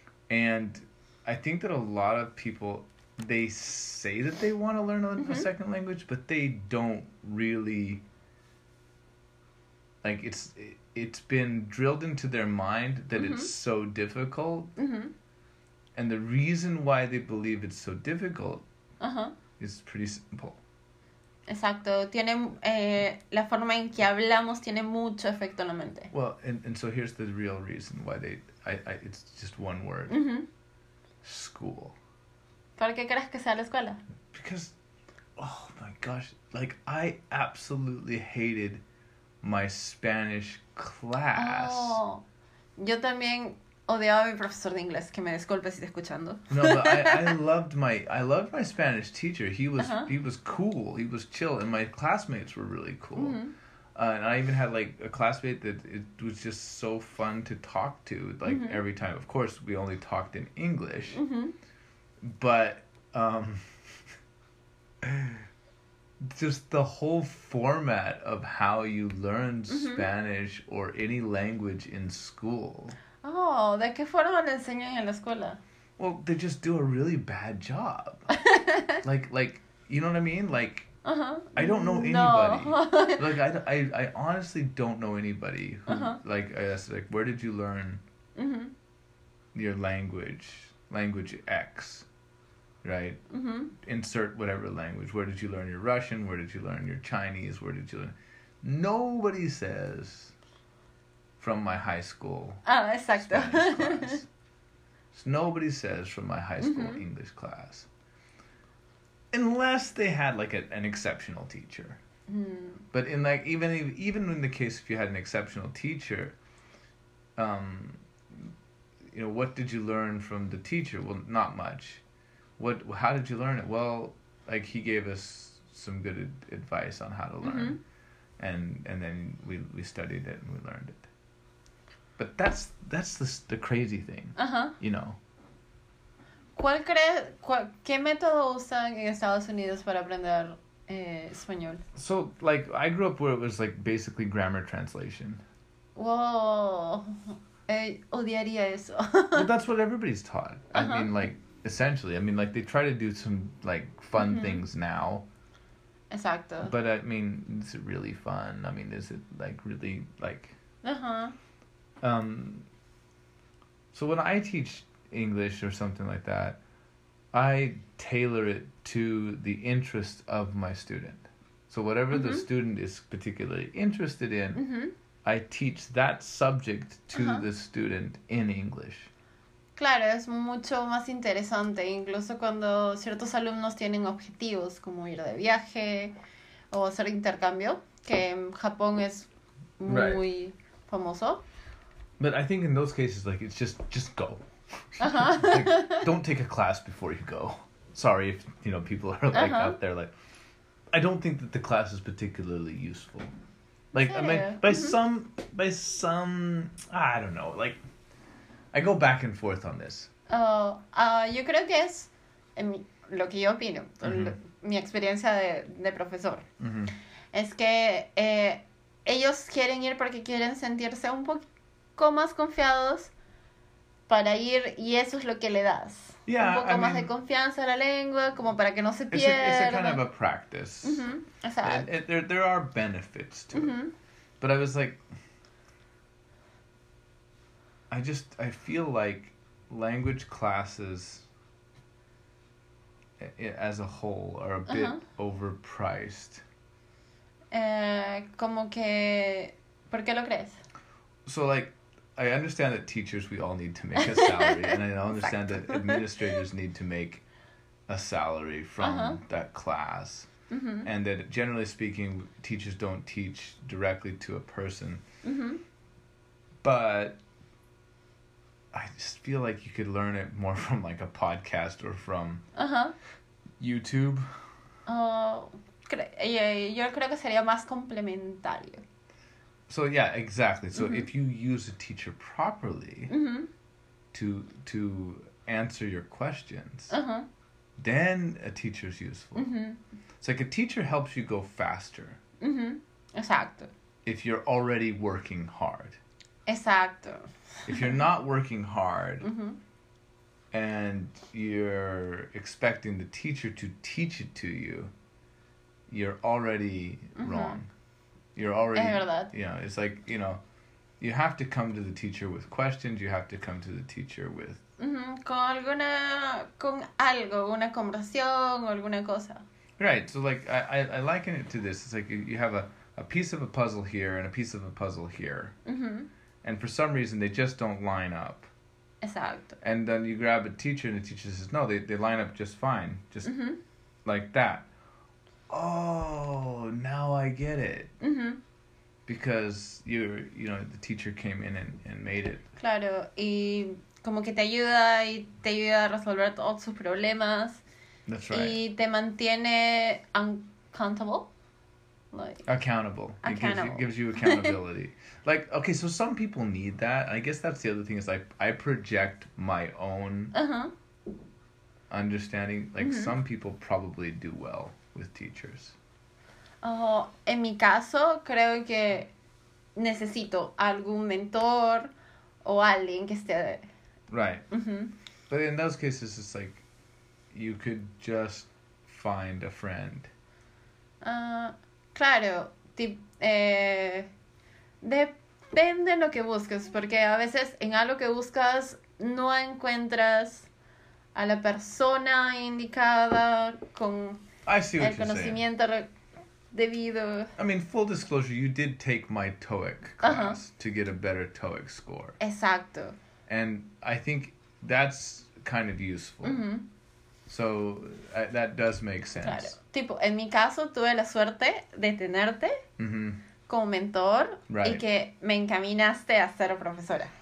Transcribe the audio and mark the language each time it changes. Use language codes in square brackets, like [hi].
[en] And I think that a lot of people, they say that they want to learn a mm-hmm. second language, but they don't really, like, it's been drilled into their mind that mm-hmm. it's so difficult. Mm-hmm. And the reason why they believe it's so difficult uh-huh. is pretty simple. [es] Exacto, tiene la forma en que hablamos tiene mucho efecto en la mente. [en] Well, and so here's the real reason why they I it's just one word. Mm-hmm. School. [es] ¿Por qué crees que sea la escuela? [en] Because oh my gosh, like I absolutely hated my Spanish class. [es] Oh, yo también Odiaba a mi profesor de inglés, que me disculpe si te escuchando. [en] No, but I loved my Spanish teacher. He was He was cool. He was chill, and my classmates were really cool. Mm-hmm. And I even had like a classmate that it was just so fun to talk to. Like mm-hmm. every time, of course, we only talked in English. Mm-hmm. But just the whole format of how you learned mm-hmm. Spanish or any language in school. [es] Oh, ¿de qué forma le enseñan en la escuela? [en] Well, they just do a really bad job. like, you know what I mean? Like, uh-huh. I don't know anybody. No. Like, I honestly don't know anybody who, uh-huh. like, I asked, like, where did you learn mm-hmm. your language? Language X, right? Mm-hmm. Insert whatever language. Where did you learn your Russian? Where did you learn your Chinese? Where did you learn? Nobody says... From my high school. [es] Ah, exacto. [en] Class. So nobody says from my high school mm-hmm. English class. Unless they had like an exceptional teacher. Mm. But in like even in the case if you had an exceptional teacher, you know, what did you learn from the teacher? Well, not much. How did you learn it? Well, like he gave us some good advice on how to learn. Mm-hmm. And then we studied it and we learned it. But that's the crazy thing, uh-huh. you know. [es] ¿Qué método usan en Estados Unidos para aprender español? [en] So, like, I grew up where it was, like, basically grammar translation. [es] Whoa. Odiaría eso. [en] Well, that's what everybody's taught. Uh-huh. I mean, like, essentially. I mean, like, they try to do some, like, fun mm-hmm. things now. [es] Exacto. [en] But, I mean, is it really fun? I mean, is it, like, really, like... Uh-huh. So when I teach English or something like that, I tailor it to the interest of my student. So whatever mm-hmm. the student is particularly interested in, mm-hmm. I teach that subject to uh-huh. the student in English. [es] Claro, es mucho más interesante, incluso cuando ciertos alumnos tienen objetivos como ir de viaje o hacer intercambio, que en Japón es muy right. famoso. [en] But I think in those cases, like, it's just go. Uh-huh. Like, don't take a class before you go. Sorry if, you know, people are, like, uh-huh. out there, like, I don't think that the class is particularly useful. Like, I mean, by some, I don't know, like, I go back and forth on this. [es] Yo creo que es lo que yo opino, mm-hmm. mi experiencia de profesor. Mm-hmm. Es que ellos quieren ir porque quieren sentirse un poquito más confiados para ir, y eso es lo que le das. [en] Yeah, [es] un poco más de confianza a la lengua, como para que no se pierda. [en] It's a kind of a practice. [es] Mm-hmm. Exacto. [en] There are benefits to mm-hmm. it. But I was like, I feel like language classes as a whole are a bit uh-huh. overpriced. Como que, ¿por qué lo crees? So like, I understand that teachers, we all need to make a salary, and I understand exactly. that administrators need to make a salary from uh-huh. that class, mm-hmm. and that generally speaking, teachers don't teach directly to a person, mm-hmm. but I just feel like you could learn it more from like a podcast or from uh-huh. YouTube. [es] Yo creo que sería más complementario. [en] So, yeah, exactly. So, mm-hmm. if you use a teacher properly mm-hmm. to answer your questions, uh-huh. then a teacher is useful. Mm-hmm. It's like a teacher helps you go faster. [es] Mm-hmm. Exacto. [en] If you're already working hard. [es] Exacto. [en] If you're not working hard mm-hmm. and you're expecting the teacher to teach it to you, you're already mm-hmm. wrong. You're already, you know, it's like, you know, you have to come to the teacher with questions, you have to come to the teacher with... Mm-hmm. [es] Con algo, una conversación o alguna cosa. [en] Right, so like, I liken it to this. It's like you have a piece of a puzzle here and a piece of a puzzle here. Mm-hmm. And for some reason, they just don't line up. [es] Exacto. [en] And then you grab a teacher and the teacher says, no, they line up just fine. Just mm-hmm. like that. Oh, now I get it. Mm-hmm. because you know the teacher came in and made it. [es] Claro, y como que te ayuda a resolver todos tus problemas. [en] That's right. [es] Y te mantiene accountable. [en] Like, accountable. It gives you accountability. Like, okay, so some people need that. I guess that's the other thing is I project my own understanding. Like, some people probably do well with teachers. [es] En mi caso, creo que necesito algún mentor o alguien que esté... [en] Right. But in those cases, it's like, you could just find a friend. [es] Claro, depende de lo que busques, porque a veces en algo que buscas no encuentras a la persona indicada con el conocimiento debido. [en] I mean, full disclosure, you did take my TOEIC class to get a better TOEIC score. [es] Exacto. [en] And I think that's kind of useful. So, that does make sense. [es] Claro. Tipo, en mi caso, tuve la suerte de tenerte como mentor y que me encaminaste a ser profesora.